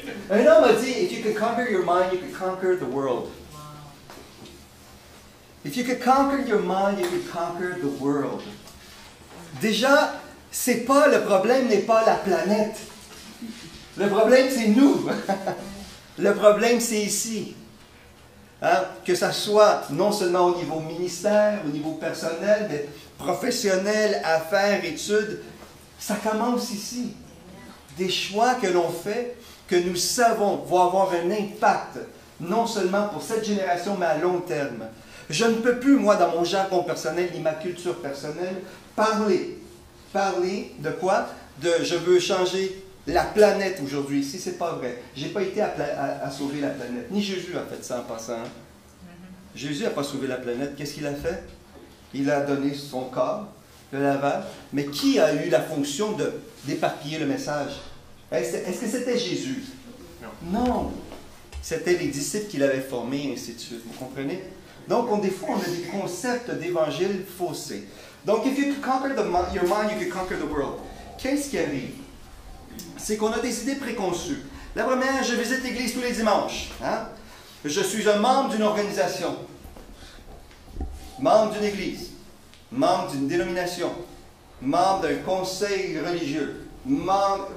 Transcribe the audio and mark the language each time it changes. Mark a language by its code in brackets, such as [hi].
[fr] Un homme a dit, [en] if you could conquer your mind, you could conquer the world. If you could conquer your mind, you could conquer the world. [fr] Déjà, c'est pas le problème, n'est pas la planète. Le problème, c'est nous. Le problème, c'est ici. Hein? Que ça soit non seulement au niveau ministère, au niveau personnel, mais professionnel, affaires, études, ça commence ici. Des choix que l'on fait, que nous savons, vont avoir un impact, non seulement pour cette génération, mais à long terme. Je ne peux plus, moi, dans mon jargon personnel et ma culture personnelle, parler de quoi? De « je veux changer la planète aujourd'hui ». Si c'est pas vrai, j'ai pas été à sauver la planète. Ni Jésus a fait ça en passant. Hein? Jésus n'a pas sauvé la planète. Qu'est-ce qu'il a fait? Il a donné son corps. De l'aval. Mais qui a eu la fonction d'éparpiller le message? Est-ce que c'était Jésus? Non. C'était les disciples qu'il avait formés, ainsi de suite. Vous comprenez? Donc, on a des concepts d'évangile faussés. [en] Donc, if you could conquer your mind, you could conquer the world. [fr] Qu'est-ce qui arrive? C'est qu'on a des idées préconçues. La première, je visite l'église tous les dimanches. Hein? Je suis un membre d'une organisation. Membre d'une église. Membre d'une dénomination, membre d'un conseil religieux, membre...